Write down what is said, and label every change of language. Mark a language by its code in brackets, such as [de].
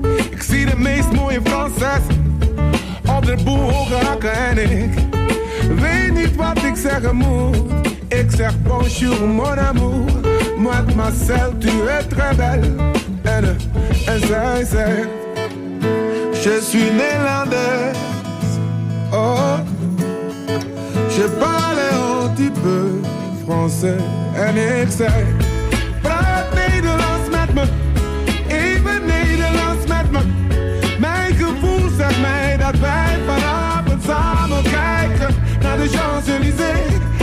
[nl] Ik zie de meest mooie Franses. Op de boel hoge hakken en ik. Weet niet wat ik zeggen moet. Ik zeg [fr] bonjour mon amour. Mademoiselle, tu es très belle. [nl] En zij zegt: [fr] je suis Nederlandaise. Oh, je parle un petit peu français. [nl] En ik zei: praat Nederlands met me. Even Nederlands met me. Mijn gevoel zegt mij dat wij vanavond samen kijken naar de Champs-Élysées.